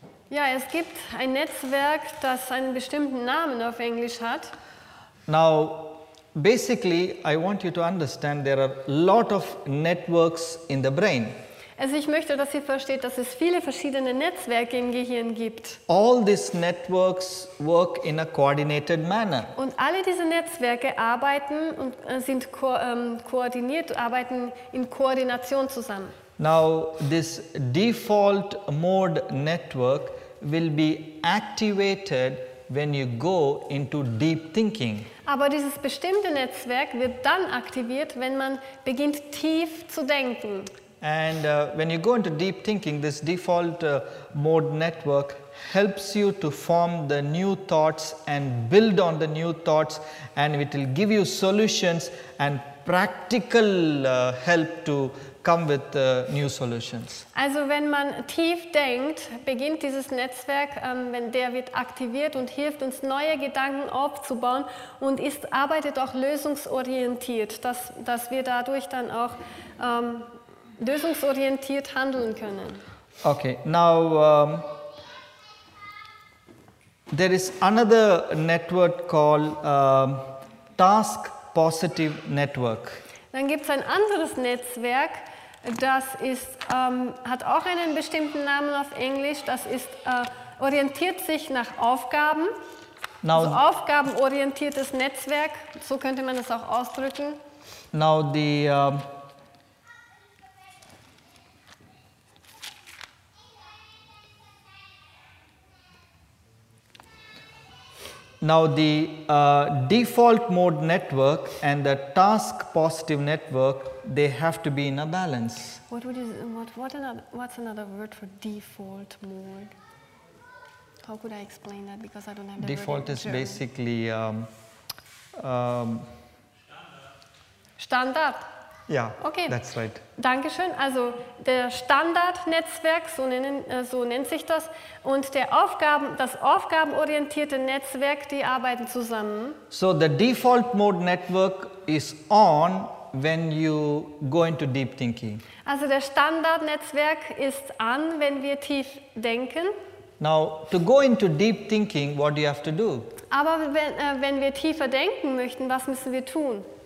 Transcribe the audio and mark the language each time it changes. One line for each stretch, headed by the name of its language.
German: Ja, es gibt ein Netzwerk, das einen bestimmten Namen auf Englisch hat.
English: Now, basically, I want you to understand there are a lot of networks in the brain.
German: Also ich möchte, dass ihr versteht, dass es viele verschiedene Netzwerke im Gehirn gibt.
English: All these networks work in a coordinated manner.
German: Und alle diese Netzwerke arbeiten und sind koordiniert, arbeiten in Koordination zusammen.
English: Now, this default mode network will be activated when you go into deep thinking.
German: Aber dieses bestimmte Netzwerk wird dann aktiviert, wenn man beginnt tief zu denken.
English: And when you go into deep thinking, this default mode network helps you to form the new thoughts and build on the new thoughts, and it will give you solutions and practical help to come with new solutions.
German: Also wenn man tief denkt, beginnt dieses Netzwerk, wenn der wird aktiviert und hilft uns neue Gedanken aufzubauen und ist arbeitet auch lösungsorientiert, dass wir dadurch dann auch lösungsorientiert handeln können.
English: Okay, now there is another network called Task Positive Network.
German: Dann gibt's ein anderes Netzwerk. Das ist, hat auch einen bestimmten Namen auf Englisch. Das ist, orientiert sich nach Aufgaben.
English: Now,
German: also aufgabenorientiertes Netzwerk, so könnte man das auch ausdrücken.
English: Now the, Now the default mode network and the task positive network, they have to be in a balance. What's another word for default mode? How could I explain that? Because I don't have the default word in is German. Basically
German: Standard.
English: Ja, okay. That's right.
German: Dankeschön. Also der Standardnetzwerk, so nennt sich das, und das aufgabenorientierte Netzwerk, die arbeiten zusammen.
English: So the default mode network is on when you go into deep thinking.
German: Also der Standardnetzwerk ist an, wenn wir tief denken.
English: Now to go into deep thinking, what do you have to do?
German: Aber wenn wir tiefer denken möchten, was müssen wir tun?